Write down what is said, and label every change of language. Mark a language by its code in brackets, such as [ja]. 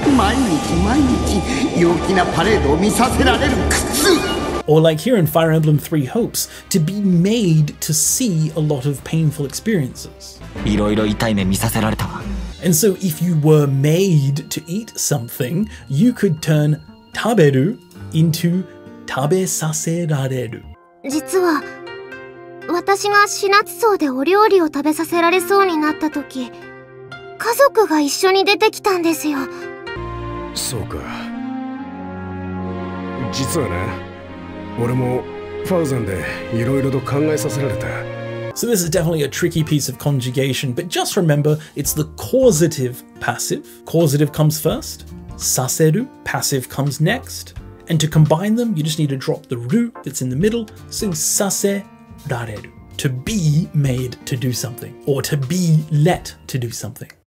[ja] 毎日毎日陽気なパレードを見させられる苦痛! [en] Or like here in Fire Emblem Three Hopes, to be made to see a lot of painful experiences. [ja] いろいろ痛い目見させられたわ。 [en] And so if you were made to eat something, you could turn 食べる into 食べさせられる。 [ja] 実は、私が死なつそうでお料理を食べさせられそうになった時、母族が一緒に出てきたんですよ。そうか。実はね、俺もファーザンでいろいろと考えさせられた。 [en] So this is definitely a tricky piece of conjugation, but just remember, it's the causative passive. Causative comes first, saseru, passive comes next, and to combine them, you just need to drop the ru that's in the middle, so saserareru, to be made to do something, or to be let to do something.